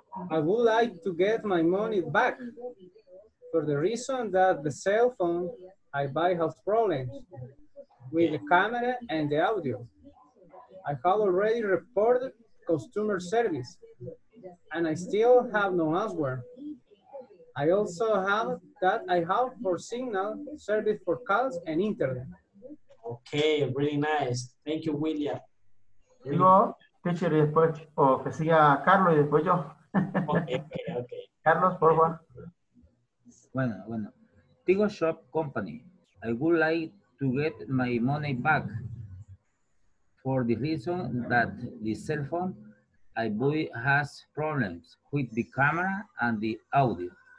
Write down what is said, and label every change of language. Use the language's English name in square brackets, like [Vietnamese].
[English] I would like to get my money back for the reason that the cell phone I buy has problems with the camera and the audio. I have already reported customer service and I still have no answer. I also have that I have for signal service for calls and internet. Okay, really nice. Thank you, William. [Spanish] Digo, teacher, y después, o que siga Carlos y después yo. Okay. Carlos, por favor. Bueno. [English] Tigo Shop Company, I would like to get my money back for the reason that the cell phone I buy has problems with the camera and the audio.